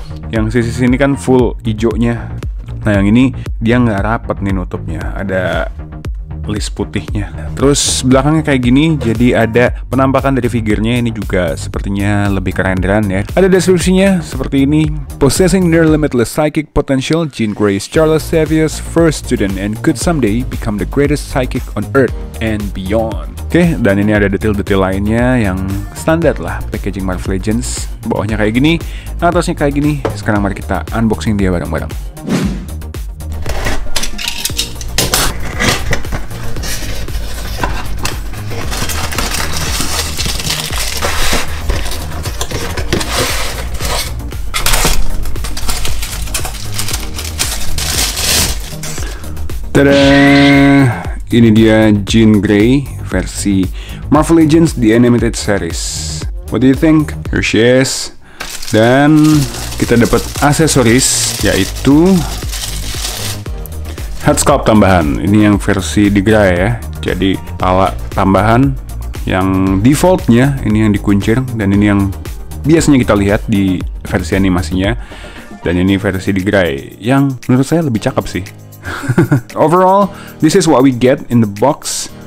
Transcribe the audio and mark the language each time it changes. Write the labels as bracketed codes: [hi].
[id] Yang sisi sini kan full hijaunya. Nah yang ini dia nggak rapet nih nutupnya. Ada list putihnya. Terus belakangnya kayak gini. Jadi ada penampakan dari figurnya. Ini juga sepertinya lebih kerenderan ya. Ada deskripsinya seperti ini. [en] Possessing near limitless psychic potential, Jean Grey is Charles Xavier's first student and could someday become the greatest psychic on earth and beyond. [id] Oke, dan ini ada detail-detail lainnya yang standar lah packaging Marvel Legends. Bawahnya kayak gini, atasnya kayak gini. Sekarang mari kita unboxing dia bareng-bareng. Tadaa! Ini dia Jean Grey versi Marvel Legends The Animated Series. [en] What do you think? Here she is. [id] Dan kita dapat aksesoris yaitu head sculpt tambahan. Ini yang versi DeGray ya. Jadi kepala tambahan yang defaultnya ini yang dikuncir dan ini yang biasanya kita lihat di versi animasinya. Dan ini versi DeGray yang menurut saya lebih cakep sih. [en] Overall, this is what we get in the box.